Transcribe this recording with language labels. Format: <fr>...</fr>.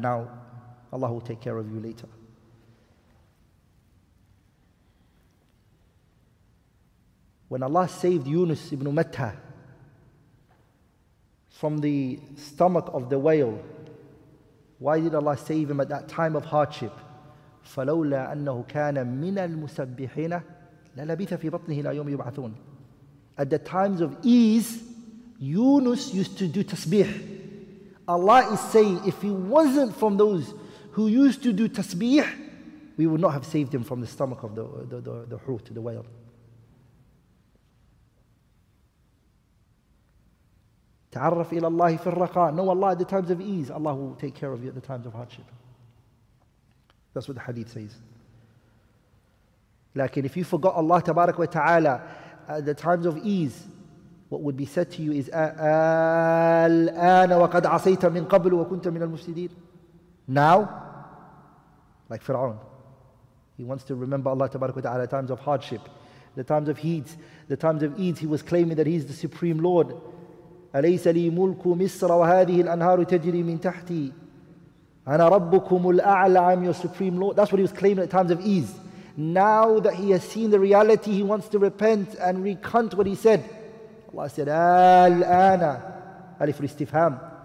<en>Now Allah will take care of you later. When Allah saved Yunus ibn Matta from the stomach of the whale, why did Allah save him at that time of hardship?</en> <ar>فلولا أنه كان من المسبحين للبث في بطنه إلى يوم يبعثون.</ar> <en>At the times of ease, Yunus used to do tasbih. Allah is saying, if he wasn't from those who used to do tasbih, we would not have saved him from the stomach of the hoot, the whale.</en> <ar>تعرف إلى الله في الرقاء.</ar> <en>Know Allah at the times of ease. Allah will take care of you at the times of hardship. That's what the hadith says.</en> <ar>لكن</ar> <en>if you forgot Allah تبارك وتعالى at the times of ease, what would be said to you is</en> <ar>الآن وقد عصيت من قبل وكنت من المفسدين.</ar> <en>Now, like Fir'aun, he wants to remember Allah تبارك وتعالى at times of hardship, the times of heat, the times of ease. He was claiming that he is the supreme Lord.</en> <ar>أليس لي ملك مصر وهذه الأنهار تجري من تحتي أنا ربكم الأعلى.</ar> <en>I'm your supreme Lord. That's what he was claiming at times of ease. Now that he has seen the reality, he wants to repent and recant what he said. Allah said,</en> <ar>الآن ألف الاستفهام.</ar>